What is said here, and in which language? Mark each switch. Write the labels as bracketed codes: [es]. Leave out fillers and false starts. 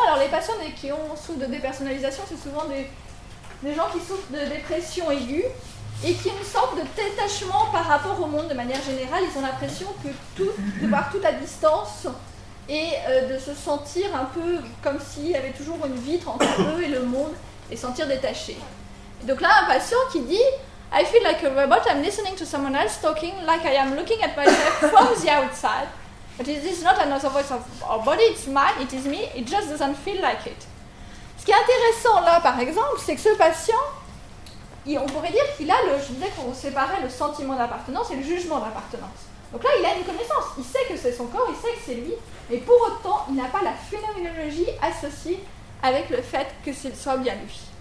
[fr] Alors les personnes qui souffrent de dépersonnalisation, c'est souvent des gens qui souffrent de dépression aiguë et qui ont une sorte de détachement par rapport au monde de manière générale. Ils ont l'impression que de voir tout à distance et de se sentir un peu comme s'il y avait toujours une vitre entre eux et le monde et sentir détaché. Et donc là, un patient qui dit... [en] I feel like a robot, I'm listening to someone else talking, like I am looking at myself from the outside. But it is not another voice of our body, it's mine, it is me, it just doesn't feel like it. [fr] Ce qui est intéressant là, par exemple, c'est que ce patient, on pourrait dire qu'il a, je disais qu'on séparait le sentiment d'appartenance et le jugement d'appartenance. Donc là, il a une connaissance, il sait que c'est son corps, il sait que c'est lui, mais pour autant, il n'a pas la phénoménologie associée avec le fait que ce soit bien lui.